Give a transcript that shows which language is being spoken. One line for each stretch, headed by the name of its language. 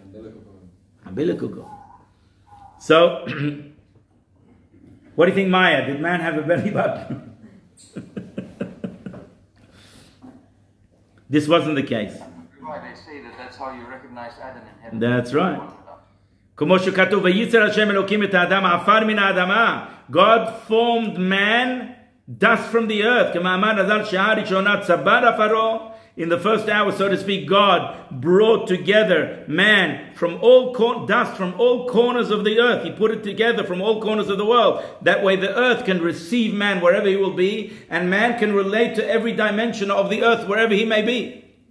English: Yeah, umbilical cord. So, what do you think, Maya? Did man have a belly button? This wasn't the case. Why they say that that's how you recognize Adam in heaven. That's right.
Hebrew: כמו שכתוב, וייצר השם אלוקים את האדם עפר מן האדמה.
English: God formed man dust from the earth.
Hebrew: כמאמר הזל שעה ראשונה צבר עפרו.
English: In the first hour, so to speak, God brought together man from all dust from all corners of the earth. He put it together from all corners of the world. That way the earth can receive man wherever he will be, and man can relate to every dimension of the earth wherever he may be.